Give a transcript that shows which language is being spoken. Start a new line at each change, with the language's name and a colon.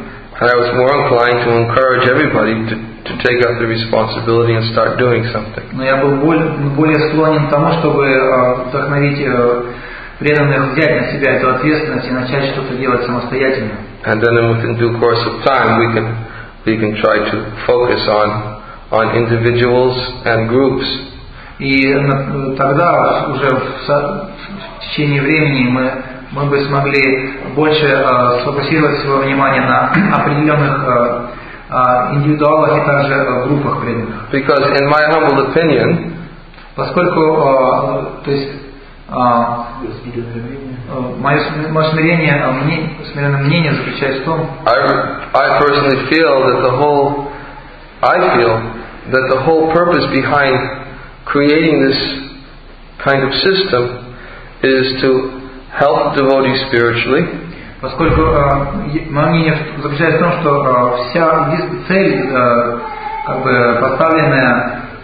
English: And I was more inclined to encourage everybody to take up the responsibility and start doing something.
Russian: Но я был более склонен к тому, чтобы вдохновить преданных взять на себя эту ответственность и начать что-то делать самостоятельно.
English: And then within due course of time we can try to focus on individuals and groups.
Russian: И тогда уже в течение времени мы бы смогли больше сфокусировать свое внимание на определенных индивидуалах и также группах преданных.
English: Because in my humble opinion,
Russian: поскольку, то есть, мое смирение, смиренное мнение заключается в том,
English: I personally feel that the whole purpose behind creating this kind of system is to help devotees spiritually.
Russian: Поскольку мое мнение заключается в том, что вся цель, как бы поставленная